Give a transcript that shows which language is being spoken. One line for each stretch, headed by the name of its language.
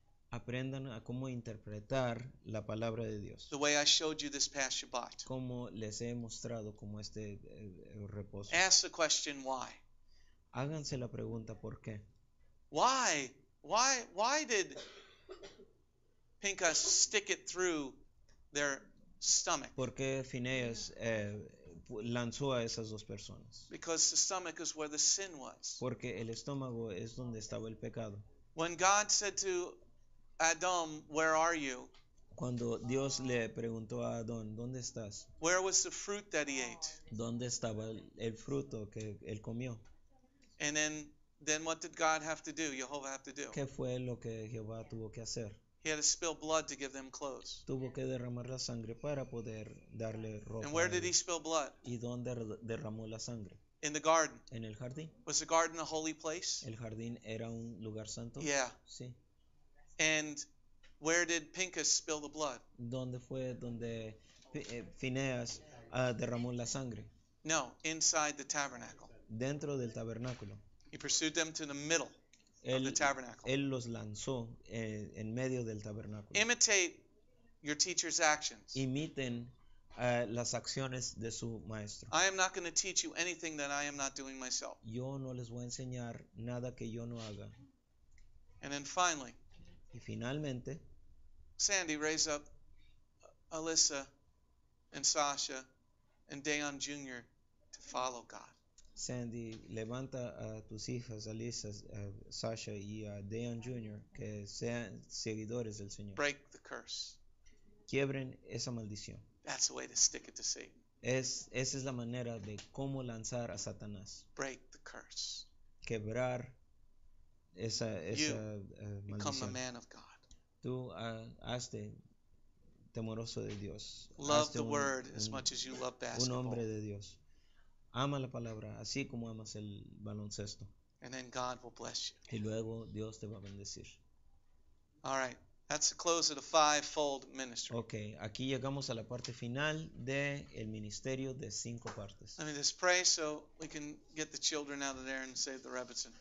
Spanish: Aprendan a cómo interpretar la palabra de Dios.
English: The way I showed you this past Shabbat.
Spanish: Como les he mostrado como este reposo.
English: Ask the question why.
Spanish: Háganse la pregunta por qué.
English: Why did Pinchas stick it through their stomach?
Spanish: ¿Por qué Phineas lanzó a esas dos personas?
English: Because the stomach is where the sin was.
Spanish: Porque el estómago es donde estaba el pecado.
English: When God said to Adam, "Where are you?"
Spanish: Cuando Dios le preguntó a Adán, ¿dónde estás?
English: Where was the fruit that he ate?
Spanish: ¿Dónde estaba el fruto que él comió?
English: And then what did God have to do? Jehovah have to do.
Spanish: ¿Qué fue lo que Jehová tuvo que hacer?
English: He had to spill blood to give them clothes.
Spanish: Tuvo que derramar la sangre para poder darle ropa.
English: And where did he spill blood?
Spanish: ¿Y dónde derramó la sangre?
English: In the garden.
Spanish: En el jardín.
English: Was the garden a holy place?
Spanish: El jardín era un lugar santo.
English: Yeah.
Spanish: Sí.
English: And where did Pinchas spill the blood?
Spanish: ¿Dónde fue donde Phineas derramó la sangre?
English: No, inside the tabernacle.
Spanish: Dentro del tabernáculo.
English: He pursued them to the middle. Of the tabernacle.
Spanish: Él los lanzó en medio del tabernáculo.
English: Imitate your teacher's actions.
Spanish: Imiten las acciones de su maestro.
English: I am not going to teach you anything that I am not doing myself.
Spanish: Yo no les voy a enseñar nada que yo no haga.
English: And then finally.
Spanish: Y finalmente.
English: Sandy, raise up Alyssa and Sasha and Dayan Jr. to follow God.
Spanish: Sandy, levanta a tus hijas, Alyssa, Sasha y a Dayan Jr., que sean seguidores del Señor.
English: Break the curse.
Spanish: Quiebren esa maldición.
English: That's the way to stick it to Satan.
Spanish: Esa es la manera de cómo lanzar a Satanás.
English: Break the curse.
Spanish: Quebrar esa maldición.
English: Become a man of God.
Spanish: Tú hazte temoroso de Dios.
English: Love the word as much as you love basketball.
Spanish: Un hombre de Dios. Ama la palabra así como amas el baloncesto.
English: And then God will bless you.
Spanish: Y luego Dios te va a bendecir.
English: All right. That's the close of the fivefold ministry.
Spanish: Okay, aquí llegamos a la parte final del ministerio de cinco partes.
English: Let me just pray so we can get the children out of there and save the Rebbetzin.